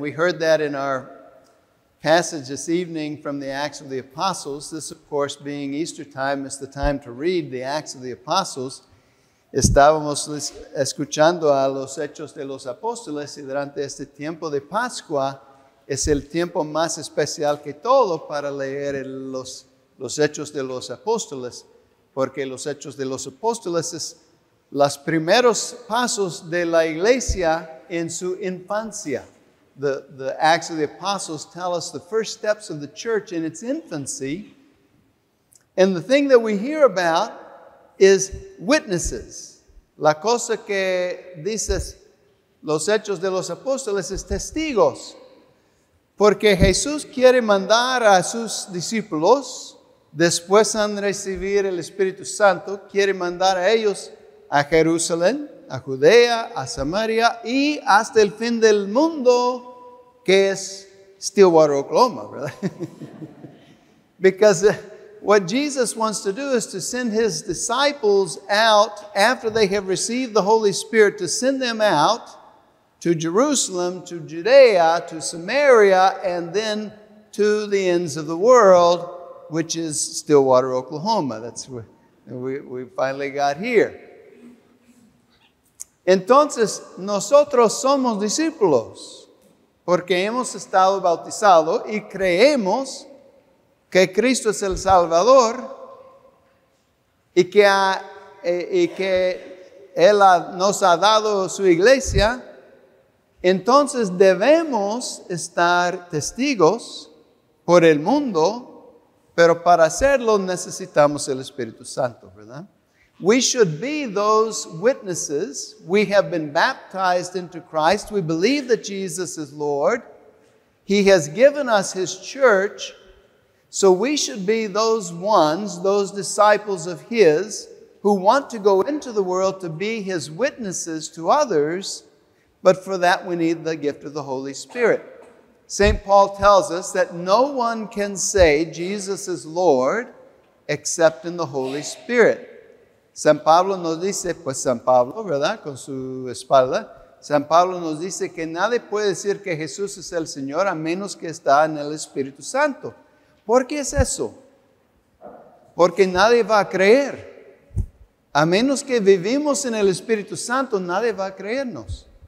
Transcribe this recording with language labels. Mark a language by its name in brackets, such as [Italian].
[English] We heard that in our passage this evening from the Acts of the Apostles. This, of course, being Easter time, is the time to read the Acts of the Apostles. [Spanish] Estábamos escuchando a los Hechos de los Apóstoles y durante este tiempo de Pascua es el tiempo más especial que todo para leer los Hechos de los Apóstoles, porque los Hechos de los Apóstoles es los primeros pasos de la iglesia en su infancia. [English] The Acts of the Apostles tell us the first steps of the church in its infancy. And the thing that we hear about is witnesses. [Spanish] La cosa que dices los Hechos de los Apóstoles es testigos. Porque Jesús quiere mandar a sus discípulos, después de recibir el Espíritu Santo, quiere mandar a ellos a Jerusalén, a Judea, a Samaria y hasta el fin del mundo, que es Stillwater, Oklahoma, ¿verdad? [English] Because what Jesus wants to do is to send his disciples out after they have received the Holy Spirit, to send them out to Jerusalem, to Judea, to Samaria, and then to the ends of the world, which is Stillwater, Oklahoma. That's where we finally got here. [Spanish] Entonces, nosotros somos discípulos porque hemos estado bautizados y creemos que Cristo es el Salvador y que Él nos ha dado su iglesia. Entonces, debemos estar testigos por el mundo, pero para hacerlo necesitamos el Espíritu Santo, ¿verdad? [English] We should be those witnesses. We have been baptized into Christ. We believe that Jesus is Lord. He has given us his church. So we should be those ones, those disciples of his, who want to go into the world to be his witnesses to others. But for that, we need the gift of the Holy Spirit. St. Paul tells us that no one can say Jesus is Lord except in the Holy Spirit. [Spanish] San Pablo nos dice, pues San Pablo, ¿verdad?, con su espalda. San Pablo nos dice que nadie puede decir que Jesús es el Señor a menos que está en el Espíritu Santo. ¿Por qué es eso? Porque nadie va a creer. A menos que vivimos en el Espíritu Santo, nadie va a creernos.